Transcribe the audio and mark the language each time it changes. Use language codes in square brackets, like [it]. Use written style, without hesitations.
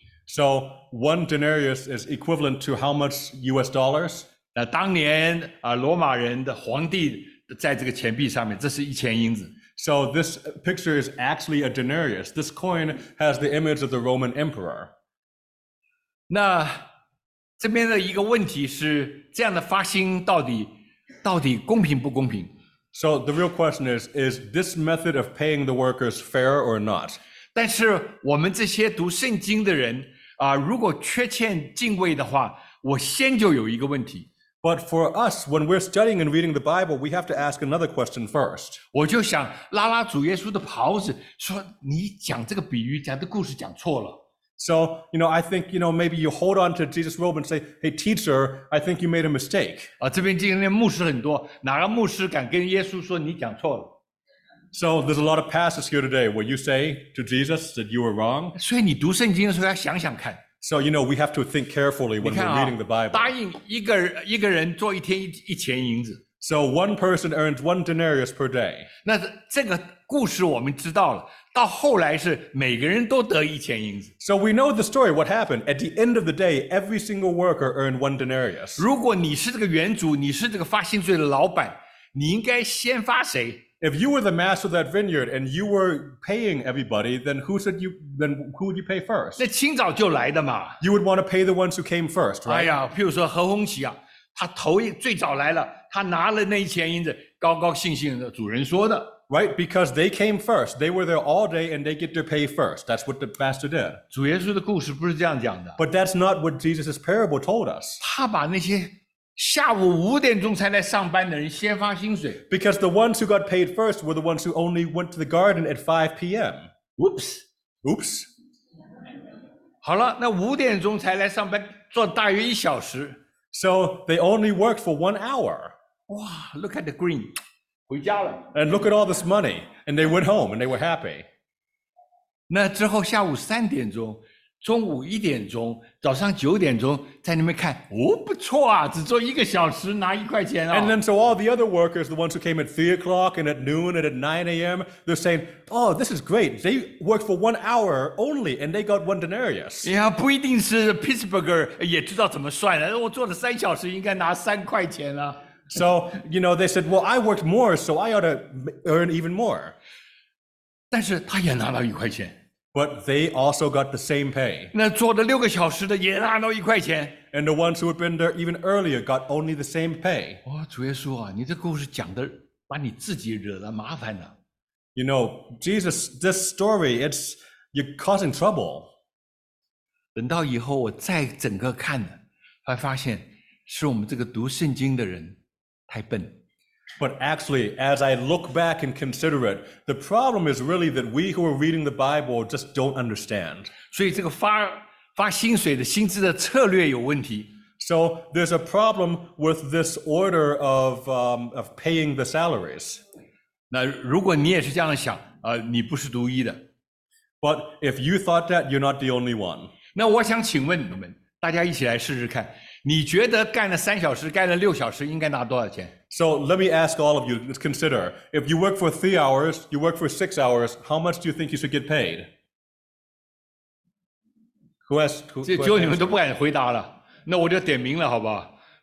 [en] So one denarius is equivalent to how much U.S. dollars? [zh] 那当年罗马人的皇帝在这个钱币上面，这是一钱银子。 [en] So this picture is actually a denarius. This coin has the image of the Roman emperor. [zh] 那这边的一个问题是，这样的发薪到底公平不公平？ [en] So the real question is this method of paying the workers fair or not? [zh] 但是我们这些读圣经的人啊，如果缺欠敬畏的话，我先就有一个问题。 [en] But for us, when we're studying and reading the Bible, we have to ask another question first. [zh] 我就想拉拉主耶稣的袍子，说你讲这个比喻，讲的故事讲错了。 [en] So, you know, I think, you know, maybe you hold on to Jesus' robe and say, hey, teacher, I think you made a mistake. [zh] 这边今天牧师很多，哪个牧师敢跟耶稣说你讲错了？ [en] So there's a lot of passages here today where you say to Jesus that you were wrong. [zh] 所以你读圣经的时候要想想看。 [en] So, you know, we have to think carefully when we're reading the Bible. [zh] 答应一个人做一天一钱银子。 [en] So one person earns one denarius per day. [zh] 那这个故事我们知道了，到后来是每个人都得一钱银子。 [en] So we know the story, what happened. At the end of the day, every single worker earned one denarius. [zh] 如果你是这个原主，你是这个发薪水的老板，你应该先发谁？ [en] If you were the master of that vineyard and you were paying everybody, then who would you pay first? [zh] 那清早就来的嘛。 [en] You would want to pay the ones who came first, right? [zh] 哎呀，譬如说何鸿祺啊，他头一最早来了，他拿了那一钱银子，高高兴兴的，主人说的。 [en] Right, because they came first. They were there all day and they get their pay first. That's what the master did. [zh] 主耶稣的故事不是这样讲的。 [en] But that's not what Jesus' parable told us. [zh] 他把那些下午五点钟才来上班的人先发薪水。 [en] Because the ones who got paid first were the ones who only went to the garden at 5 p.m. Oops. Oops. [zh] 好了，那五点钟才来上班，做大约一小时。 [en] So they only worked for 1 hour. 哇 ，Look at the green. [zh] 回家了。 [en] And look at all this money. And they went home and they were happy. [zh] 那之后下午三点钟。中午一点钟，早上九点钟，在那边看，哦，不错啊，只做一个小时，拿一块钱啊。 [en] And then so all the other workers, the ones who came at 3 o'clock and at noon and at 9 a.m., they're saying, "Oh, this is great. They worked for 1 hour only, and they got one denarius." [zh] Yeah, 不一定是 Pittsburgher 也知道怎么算了。我做了三小时，应该拿三块钱啊。 [en] So you know, they said, "Well, I worked more, so I ought to earn even more." [zh] 但是他也拿到一块钱。 [en] But they also got the same pay. [zh] 那做了六个小时的也拿到一块钱。 [en] And the ones who had been there even earlier got only the same pay. [zh] 哦，主耶稣啊，你这故事讲的把你自己惹了麻烦了。 [en] You know, Jesus, this story, it's you're causing trouble. [zh] 等到以后我再整个看呢，还发现是我们这个读圣经的人太笨。 [en] But actually, as I look back and consider it, the problem is really that we who are reading the Bible just don't understand. [zh] 所以这个发薪水的薪资的策略有问题。 [en] So there's a problem with this order of paying the salaries. [zh] 那如果你也是这样想，你不是独一的。 [en] But if you thought that, you're not the only one. [zh] 那我想请问你们，大家一起来试试看。你觉得干了三小时，干了六小时，应该拿多少钱？ [en] So let me ask all of you, let's consider. If you work for 3 hours, you work for 6 hours, how much do you think you should get paid? Who [zh] 就你们都不敢回答了，那我就点名了，好不好？